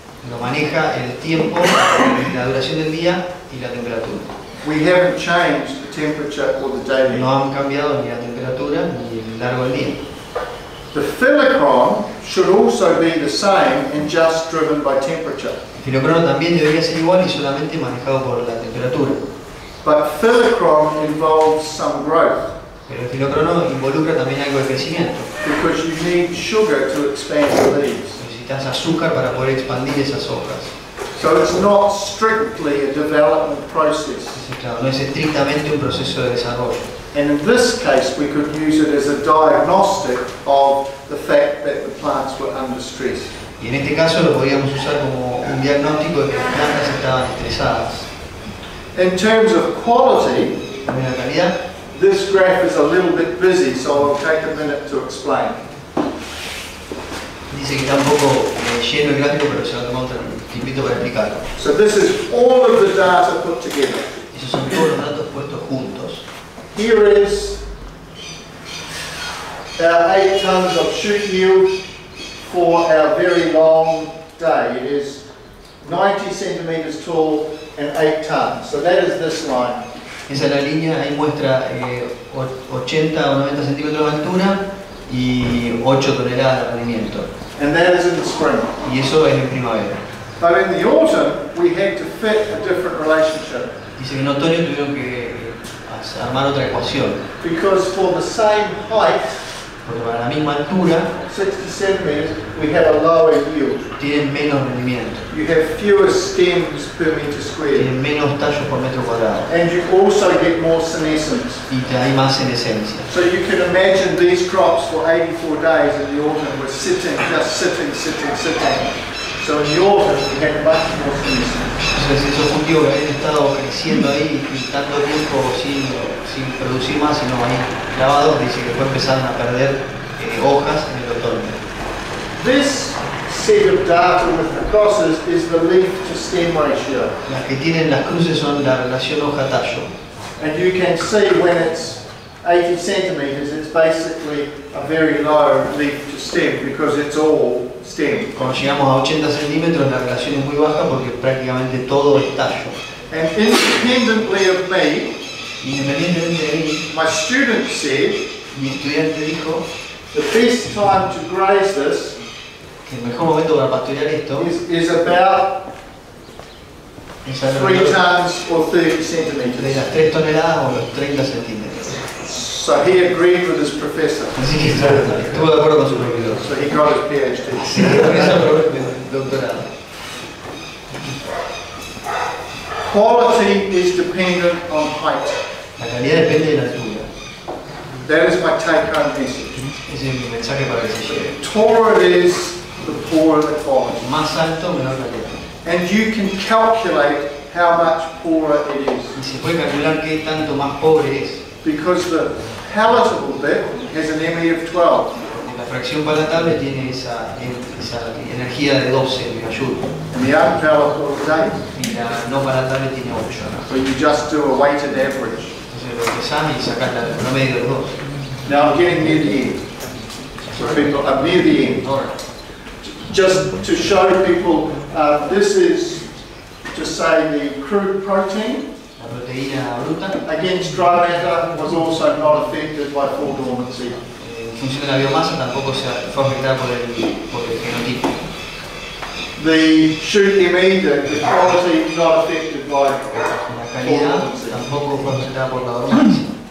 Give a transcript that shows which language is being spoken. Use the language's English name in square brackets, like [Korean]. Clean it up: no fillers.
[Spanish] Lo maneja el tiempo, la duración del día y la temperatura. [English] We haven't changed the temperature or the day length. [Spanish] No han cambiado ni la temperatura ni el largo del día. [English] The filicron should also be the same and just driven by temperature. [Spanish] El filocrono también debería ser igual y solamente manejado por la temperatura. [English] But filicron involves some growth. [Spanish] Pero el filocrono involucra también algo de crecimiento. [English] Because you need sugar to expand the leaves. [Spanish] Necesitas azúcar para poder expandir esas hojas. [English] So it's not strictly a development process. [Spanish] Sí, claro, no es estrictamente un proceso de desarrollo. [English] And in this case, we could use it as a diagnostic of the fact that the plants were under stress. [Spanish] Y en este caso lo podríamos usar como un diagnóstico de que las plantas estaban estresadas. [English] In terms of quality, [Spanish] en la calidad, [English] this graph is a little bit busy, so I'll take a minute to explain. [Spanish] Dice que tampoco lleno el gráfico, pero se va a tomar otro tiempito para explicarlo. [English] So this is all of the data put together. [Spanish] Esos son todos los datos puestos juntos. [English] Here is our 8 tons of shoot yield for our very long day. It is 90 centimeters tall and 8 tons. So that is this line. [Spanish] Esa es la línea, ahí muestra 80 o 90 centímetros de altura y 8 toneladas de rendimiento. [English] And that is in the spring. [Spanish] Y eso es en primavera. [English] But in the autumn, we had to fit a different relationship. [Spanish] Dice que en otoño tuvieron que armar otra ecuación. [English] Because for the same height, [Spanish] porque para la misma altura, [English] 60 centimeters, we had a lower yield. [Spanish] Tienen menos rendimiento. [English] You have fewer stems per meter squared. [Spanish] Tienen menos tallos por metro cuadrado. [English] And you also get more senescence. [Spanish] Y te da más senescencia. [English] So you can imagine these crops for 84 days in the autumn were sitting, just sitting, sitting, sitting. So in the autumn you had much more senescence. [Spanish] Entonces esos cultivos habían estado creciendo ahí y tanto tiempo sin producir más, sino ahí clavados, dice que después empezaron a perder hojas en el otoño. [English] This set of data with the crosses is the leaf to stem ratio. [Spanish] Las que tienen las cruces son la relación hoja-tallo. [English] And you can see when it's 80 centimeters, it's basically a very low leaf to stem because it's all stem. [Spanish] Cuando llegamos a 80 centímetros, la relación es muy baja porque prácticamente todo es tallo. [English] And independently of me, [Spanish] independientemente de mí, [English] my student said, [Spanish] mi estudiante dijo, [English] the best time to graze this. [Spanish] El mejor momento para pasturear esto [English] is about 3 tons or 30 centimeters. [Spanish] De las 3 toneladas o los 30 centímetros. [English] So he agreed with his professor. [Spanish] Así que estuvo de acuerdo con su profesor. [English] So he got his PhD. [Spanish] Así que con eso logró el doctorado. [English] Quality is dependent on height. [Spanish] La calidad depende de la altura. [English] That is my take home message. [Spanish] Ese es mi mensaje para que se lleve. [English] Taller is the poorer the quality. [Spanish] Más alto, menor calidad. [English] And you can calculate how much poorer it is. [Spanish] Y se puede calcular qué tanto más pobre es. [English] Because the palatable bit has an ME of 12. [Spanish] Y la fracción palatable tiene esa energía de 12, me ayuda. [English] And the unpalatable is 8. [Spanish] Y la no palatable tiene 8. [English] So you just do a weighted average. [Spanish] Entonces lo pesamos y sacas el promedio de 2. [English] Now I'm getting near the end. So people, I'm near the end. Just to show people, this is to say the crude protein. [Spanish] La proteína bruta. [English] Against dry matter was also not affected by full dormancy. [Spanish] En función de la biomasa tampoco se fue afectada por el genotipo. [English] The shoot ME, the quality not affected by [Spanish] la calidad tampoco fue afectada por la dormancia.